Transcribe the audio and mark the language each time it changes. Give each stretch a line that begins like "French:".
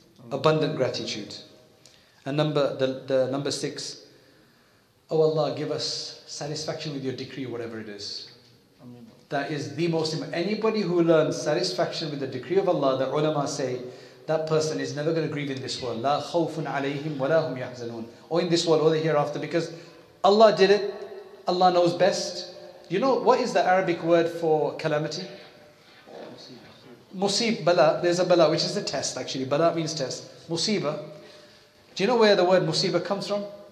English: abundant gratitude. And number six, O Allah, give us satisfaction with your decree, whatever it is. That is the most important. Anybody who learns satisfaction with the decree of Allah, the ulama say, that person is never going to grieve in this world.
Arabic: لا خوف عليهم ولا هم يحزنون.
English: Or in this world or the hereafter, because Allah did it. Allah knows best. You know, what is the Arabic word for calamity? Musib, bala. There's a bala, which is a test actually. Bala means test. Musiba. Do you know where the word musiba comes from?